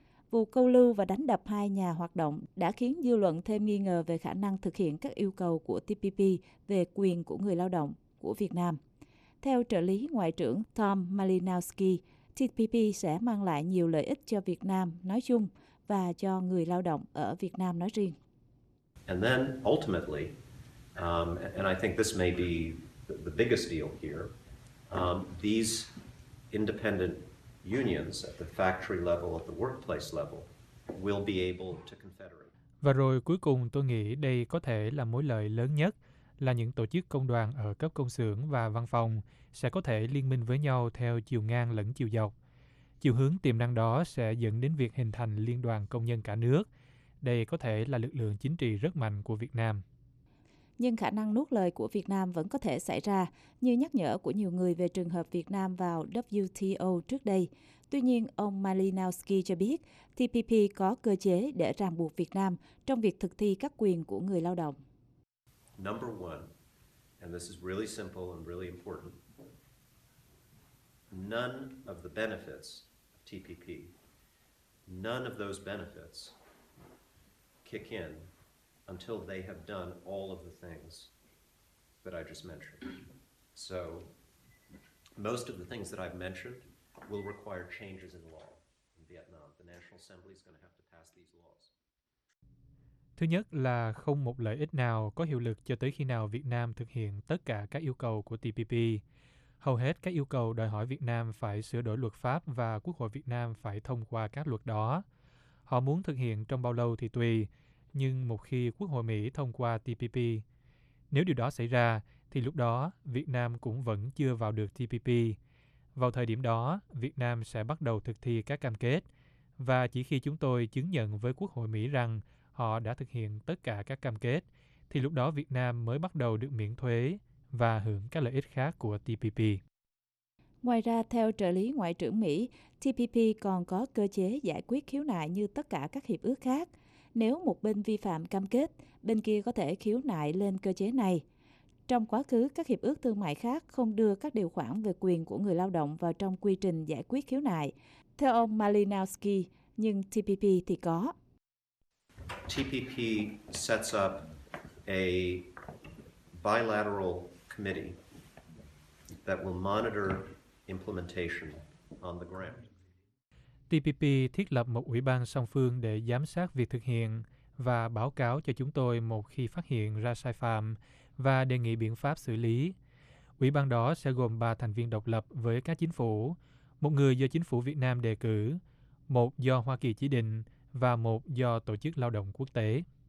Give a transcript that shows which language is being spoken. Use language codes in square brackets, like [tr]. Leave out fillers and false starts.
[vi] Vụ câu lưu và đánh đập hai nhà hoạt động đã khiến dư luận thêm nghi ngờ về khả năng thực hiện các yêu cầu của TPP về quyền của người lao động của Việt Nam. Theo trợ lý Ngoại trưởng Tom Malinowski, TPP sẽ mang lại nhiều lợi ích cho Việt Nam nói chung và cho người lao động ở Việt Nam nói riêng. [en] And then ultimately, and I think this may be the biggest deal here, these independent unions at the factory level, at the workplace level, will be able to confederate. [vi] Và rồi cuối cùng tôi nghĩ đây có thể là mối lợi lớn nhất là những tổ chức công đoàn ở cấp công xưởng và văn phòng sẽ có thể liên minh với nhau theo chiều ngang lẫn chiều dọc. Chiều hướng tiềm năng đó sẽ dẫn đến việc hình thành liên đoàn công nhân cả nước. Đây có thể là lực lượng chính trị rất mạnh của Việt Nam. Nhưng khả năng nuốt lời của Việt Nam vẫn có thể xảy ra, như nhắc nhở của nhiều người về trường hợp Việt Nam vào WTO trước đây. Tuy nhiên, ông Malinowski cho biết TPP có cơ chế để ràng buộc Việt Nam trong việc thực thi các quyền của người lao động. [en] Number one, and this is really simple and really important. None of the benefits of TPP, none of those benefits kick in until they have done all of the things that I just mentioned. So, most of the things that I've mentioned will require changes in law in Vietnam. The National Assembly is going to have to pass these laws. [vi] Thứ nhất là không một lợi ích nào có hiệu lực cho tới khi nào Việt Nam thực hiện tất cả các yêu cầu của TPP. Hầu hết các yêu cầu đòi hỏi Việt Nam phải sửa đổi luật pháp và Quốc hội Việt Nam phải thông qua các luật đó. Họ muốn thực hiện trong bao lâu thì tùy, nhưng một khi Quốc hội Mỹ thông qua TPP, nếu điều đó xảy ra, thì lúc đó Việt Nam cũng vẫn chưa vào được TPP. Vào thời điểm đó, Việt Nam sẽ bắt đầu thực thi các cam kết, và chỉ khi chúng tôi chứng nhận với Quốc hội Mỹ rằng họ đã thực hiện tất cả các cam kết, thì lúc đó Việt Nam mới bắt đầu được miễn thuế và hưởng các lợi ích khác của TPP. Ngoài ra, theo trợ lý Ngoại trưởng Mỹ, TPP còn có cơ chế giải quyết khiếu nại như tất cả các hiệp ước khác. Nếu một bên vi phạm cam kết, bên kia có thể khiếu nại lên cơ chế này. Trong quá khứ, các hiệp ước thương mại khác không đưa các điều khoản về quyền của người lao động vào trong quy trình giải quyết khiếu nại. Theo ông Malinowski, nhưng TPP thì có. [en] TPP sets up a bilateral committee that will monitor implementation on the ground. [vi] TPP thiết lập một ủy ban song phương để giám sát việc thực hiện và báo cáo cho chúng tôi một khi phát hiện ra sai phạm và đề nghị biện pháp xử lý. Ủy ban đó sẽ gồm 3 thành viên độc lập với các chính phủ, một người do chính phủ Việt Nam đề cử, một do Hoa Kỳ chỉ định và một do Tổ chức Lao động Quốc tế.